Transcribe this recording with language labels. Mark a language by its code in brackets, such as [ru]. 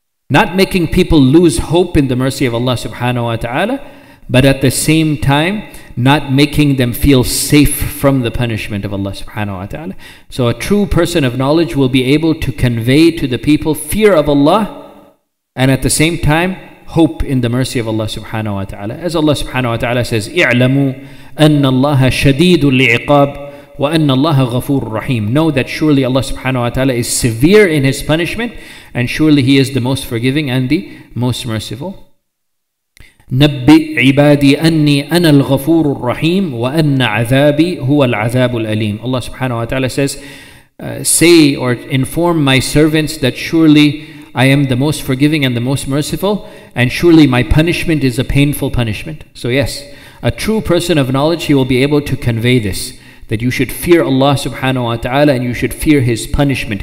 [en] Not making people lose hope in the mercy of Allah subhanahu wa ta'ala, but at the same time, not making them feel safe from the punishment of Allah subhanahu wa ta'ala. So a true person of knowledge will be able to convey to the people fear of Allah, and at the same time, hope in the mercy of Allah subhanahu wa ta'ala. As Allah subhanahu wa ta'ala says, [ar] اعلموا أن الله شديد العقاب وأن الله غفور رحيم. [en] Know that surely Allah subhanahu wa ta'ala is severe in His punishment, and surely He is the most forgiving and the most merciful. [ar] نبئ عبادي أني أنا الغفور الرحيم وأن عذابي هو العذاب الأليم. [en] Allah subhanahu wa ta'ala says, say or inform my servants that surely I am the most forgiving and the most merciful, and surely my punishment is a painful punishment. So yes, a true person of knowledge, he will be able to convey this, that you should fear Allah subhanahu wa ta'ala and you should fear His punishment.